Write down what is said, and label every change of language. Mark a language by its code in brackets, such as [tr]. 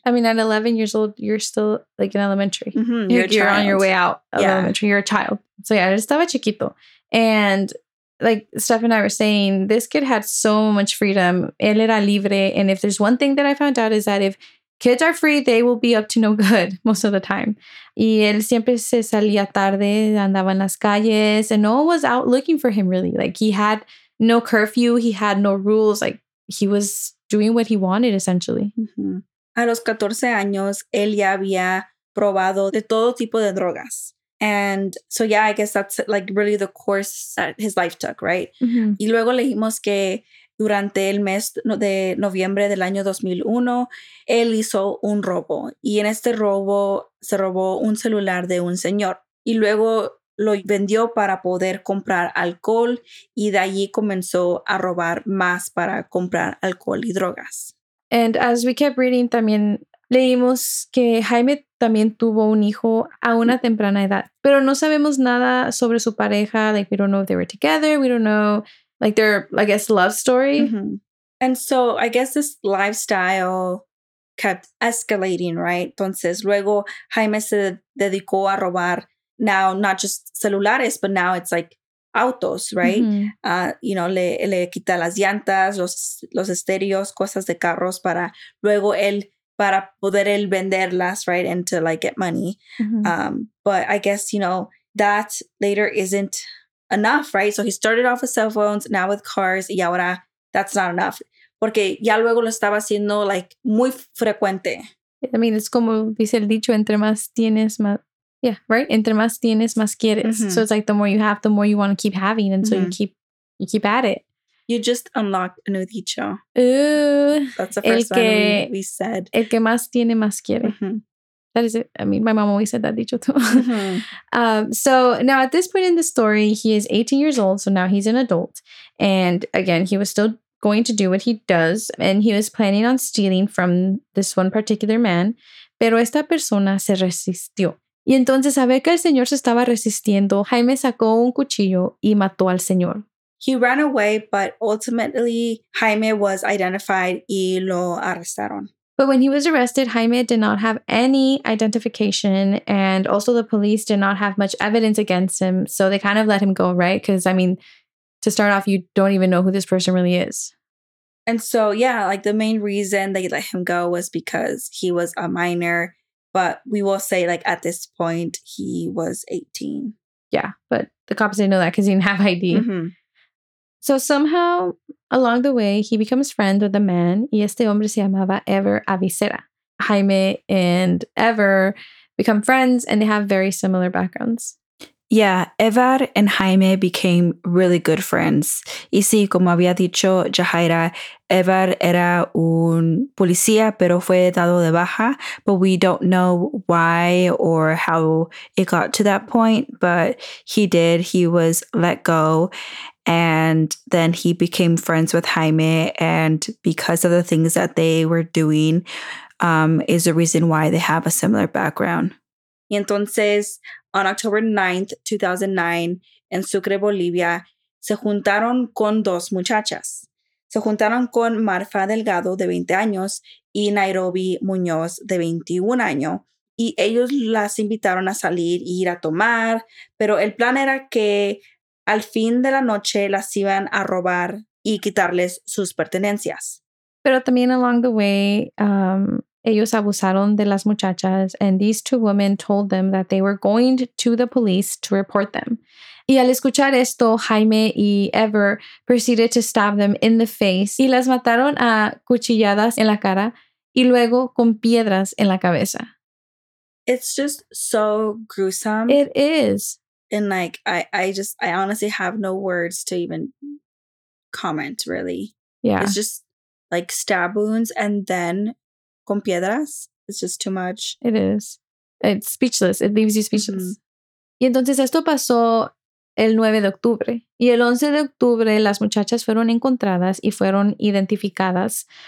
[en] I mean, at 11 years old, you're still like in elementary. Mm-hmm. You're on your way out of yeah. elementary. You're a child. So yeah, [es] estaba chiquito. [en] And like Steph and I were saying, this kid had so much freedom. [es] Él era libre. [en] And if there's one thing that I found out is that if kids are free, they will be up to no good most of the time. [es] Y él siempre se salía tarde, andaba en las calles. [en] And no one was out looking for him, really. Like he had... No curfew, he had no rules, like he was doing what he wanted, essentially. Mm-hmm. [es] A los 14 años, él ya había probado de todo tipo de drogas. [en] And so, yeah, I guess that's like really the course that his life took, right? [es] Mm-hmm. Y luego leímos que durante el mes de noviembre del año 2001, él hizo un robo. Y en este robo, se robó un celular de un señor. Y luego... lo vendió para poder comprar alcohol y de allí comenzó a robar más para comprar alcohol y drogas. [en] And as we kept reading, [es] también leímos que Jaime también tuvo un hijo a una temprana edad. Pero no sabemos nada sobre su pareja. [en] Like, we don't know if they were together. We don't know, like, their, I guess, love story. Mm-hmm. And so, I guess this lifestyle kept escalating, right? [es] Entonces, luego Jaime se dedicó a robar [en] now, not just [es] celulares, [en] but now it's like [es] autos, [en] right? [es] Mm-hmm. [en] You know, [es] le quita las llantas, los estéreos, cosas de carros para luego él, para poder él venderlas, [en] right? And to like get money. Mm-hmm. But I guess, you know, that later isn't enough, right? So he started off with cell phones, now with cars, [es] y ahora [en] that's not enough. [es] Porque ya luego lo estaba haciendo [en] like [es] muy frecuente. [en] I mean, it's [es] como dice el dicho, entre más tienes, más... [en] Yeah, right? [es] Entre más tienes, más quieres. Mm-hmm. [en] So it's like the more you have, the more you want to keep having. And mm-hmm. so you keep at it. You just unlocked a new dicho. Ooh. That's the first one we said. [es] El que más tiene, más quiere. [en] Mm-hmm. That is it. I mean, my mom always said that dicho too. Mm-hmm. So now at this point in the story, he is 18 years old. So now he's an adult. And again, he was still going to do what he does. And he was planning on stealing from this one particular man. [es] Pero esta persona se resistió. Y entonces, a ver que el señor se estaba resistiendo, Jaime sacó un cuchillo y mató al señor. [en] He ran away, but ultimately, Jaime was identified [es] y lo arrestaron. [en] But when he was arrested, Jaime did not have any identification, and also the police did not have much evidence against him, so they kind of let him go, right? Because, I mean, to start off, you don't even know who this person really is. And so, yeah, like, the main reason they let him go was because he was a minor. But we will say, like, at this point, he was 18. Yeah, but the cops didn't know that because he didn't have ID. Mm-hmm. So somehow, along the way, he becomes friends with a man. [es] Y este hombre se llamaba Ever Avicera. [en] Jaime and Ever become friends, and they have very similar backgrounds. Yeah, Ever and Jaime became really good friends. [es] Y sí, como había dicho Jahaira, Ever era un policía, pero fue dado de baja. [en] But we don't know why or how it got to that point. But he did. He was let go. And then he became friends with Jaime. And because of the things that they were doing is the reason why they have a similar background. [es] Y entonces, [en] on October 9th, 2009, in Sucre, Bolivia, [es] se juntaron con dos muchachas. Se juntaron con Marfa Delgado, de 20 años, y Nairobi Muñoz, de 21 años. Y ellos las invitaron a salir e ir a tomar, pero el plan era que al fin de la noche las iban a robar y quitarles sus pertenencias. Pero también [en] along the way, [es] ellos abusaron de las muchachas, [en] and these two women told them that they were going to the police to report them. [es] Y al escuchar esto, Jaime y Ever [en] proceeded to stab them in the face [es] y las mataron a cuchilladas en la cara y luego con piedras en la cabeza. [en] It's just so gruesome. It is. And like, I honestly have no words to even comment, really. Yeah. It's just like stab wounds and then [es] con piedras. [en] It's just too much. It is. It's speechless. It leaves you speechless. [es] Mm-hmm. Y entonces esto pasó el 9 de octubre. Y el 11 de octubre las muchachas fueron encontradas y fueron identificadas.